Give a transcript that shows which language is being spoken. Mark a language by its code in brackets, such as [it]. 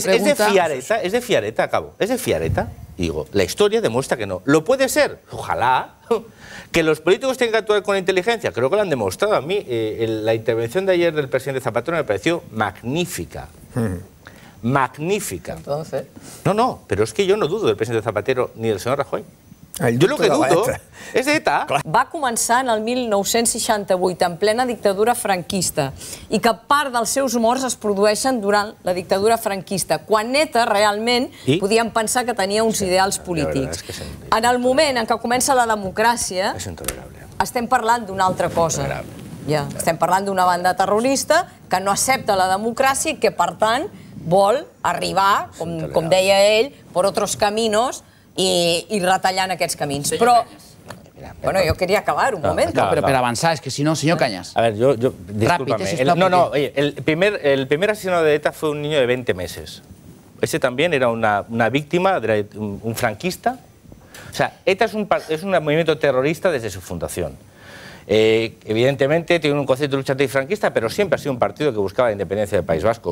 [es] pregunta. Es de fiar ETA, acabo. Y digo, la historia demuestra que no. ¿Lo puede ser? Ojalá. ¿Que los políticos tienen que actuar con inteligencia? Creo que lo han demostrado. A mí la intervención de ayer del presidente Zapatero me pareció magnífica. Magnífica. ¿Entonces? No, pero es que yo no dudo del presidente Zapatero ni del señor Rajoy. Yo lo que dudo [ca] és d'ETA. Va començar en el 1968, en plena dictadura franquista, i que part dels seus morts es produeixen durant la dictadura franquista, quan ETA realment podien pensar que tenia uns ideals polítics. En el moment en què comença la democràcia, estem parlant d'una altra cosa. Estem parlant d'una banda terrorista que no accepta la democràcia i que, per tant, vol arribar, com deia ell, per altres camins, i retallant aquests camins. Però, bueno, jo volia acabar un moment. Però per avançar, és que si no, senyor Cañas. A veure, jo, [es] discúlpame. No, el primer assassinat de ETA fue un niño de 20 meses. Ese también era una víctima, un franquista. O sea, ETA es un movimiento terrorista desde su fundación. Evidentemente tiene un concepto de lucha antifranquista, pero siempre ha sido un partido que buscaba la independencia del País Vasco.